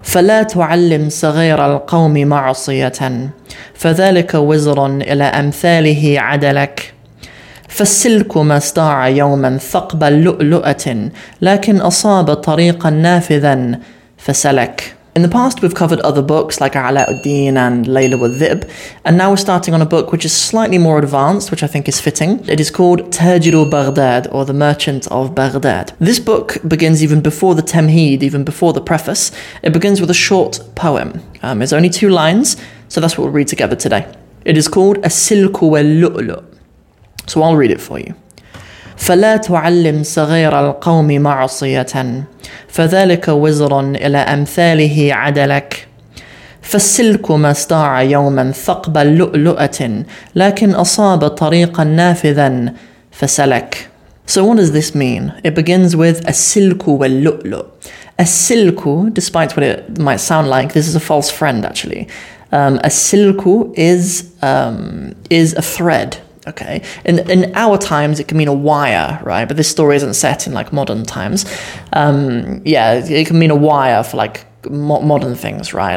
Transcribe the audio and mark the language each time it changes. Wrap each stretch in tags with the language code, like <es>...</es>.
<ar>فلا تعلم صغير القوم معصية فذلك وزر إلى أمثاله عدلك فالسلك ما استاع يوما ثقب اللؤلؤة لكن أصاب طريقا نافذا فسلك.</ar> <en>In the past, we've covered other books like Alauddin and Layla with Dhib, and now we're starting on a book which is slightly more advanced, which I think is fitting. It is called Tajiru Baghdad, or The Merchant of Baghdad. This book begins even before the Tamhid, even before the preface. It begins with a short poem. It's only two lines, so that's what we'll read together today. It is called As-Silku wal-Lu'lu. So I'll read it for you.</en> <ar>فلا تعلم صغير القوم معصية فذلك وزر إلى أمثاله عدلك فالسلك ما استاع يوما ثقب اللؤلؤة لكن أصاب طريقا نافذا فسلك.</ar> <en>So what does this mean? It begins with السلك واللؤلؤ. السلك, despite what it might sound like, this is a false friend actually. السلك is a thread. Okay, in our times, it can mean a wire, right? But this story isn't set in, like, modern times. It can mean a wire for, like, modern things, right?</en>